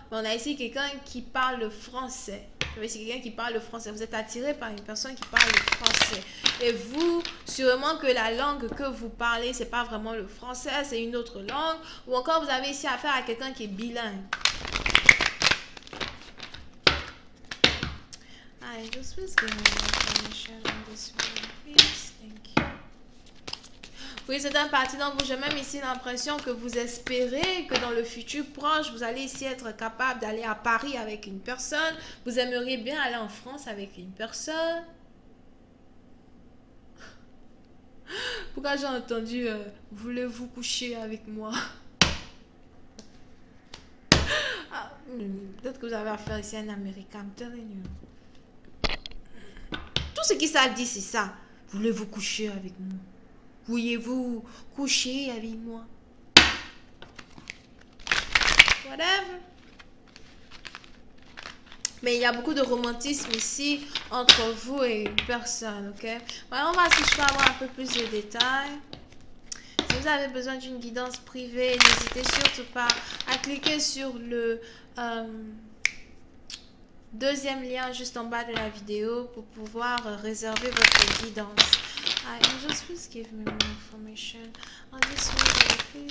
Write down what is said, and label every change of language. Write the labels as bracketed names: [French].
[French] Mais on a ici quelqu'un qui parle le français. Mais c'est quelqu'un qui parle le français. Vous êtes attiré par une personne qui parle le français. Et vous, sûrement que la langue que vous parlez, c'est pas vraiment le français, c'est une autre langue. Ou encore vous avez ici affaire à quelqu'un qui est bilingue. [English] I just was giving information on this one, please. Thank you. [French] Oui, c'est un parti. Donc, j'ai même ici l'impression que vous espérez que dans le futur proche, vous allez ici être capable d'aller à Paris avec une personne. Vous aimeriez bien aller en France avec une personne. Pourquoi j'ai entendu voulez-vous coucher avec moi? Ah, peut-être que vous avez affaire ici à un Américain, [English] I'm telling you. [French] Ce qu'ils savent dire, c'est ça. Voulez-vous coucher avec moi? Voulez-vous coucher avec moi? [English] Whatever. [French] Mais il y a beaucoup de romantisme ici entre vous et une personne, ok? Voilà, on va si je peux avoir un peu plus de détails. Si vous avez besoin d'une guidance privée, n'hésitez surtout pas à cliquer sur le deuxième lien juste en bas de la vidéo pour pouvoir réserver votre guidance. [English] I just please give me more information on this one, please.